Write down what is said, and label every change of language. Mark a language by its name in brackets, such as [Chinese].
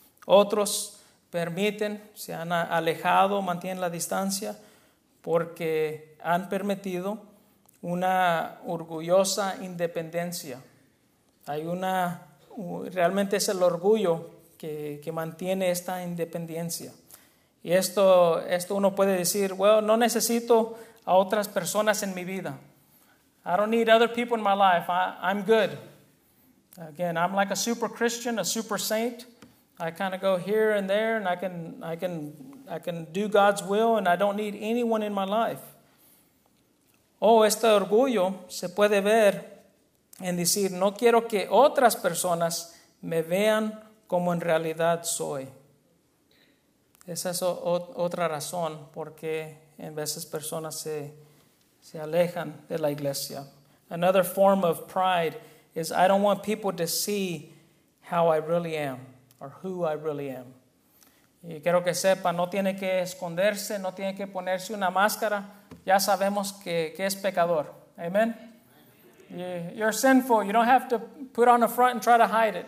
[Spanish] Otros permiten, se han alejado, mantienen la distancia, porque han permitido una orgullosa independencia. Hay una, realmente es el orgullo que mantiene esta independencia. Y esto uno puede decir, well, no necesito a otras personas en mi vida. [English] I don't need other people in my life. I'm good. Again, I'm like a super Christian, a super saint. I kind of go here and there, and I can do God's will, and I don't need anyone in my life. [Spanish] Este orgullo se puede ver en decir, no quiero que otras personas me vean como en realidad soy. Esa es otra razón por qué en veces personas se alejan de la iglesia. [English] Another form of pride is I don't want people to see how I really am or who I really am. [Spanish] Y quiero que sepa, no tiene que esconderse, no tiene que ponerse una máscara. Ya sabemos que es pecador. Amen. [English] You're sinful. You don't have to put on a front and try to hide it.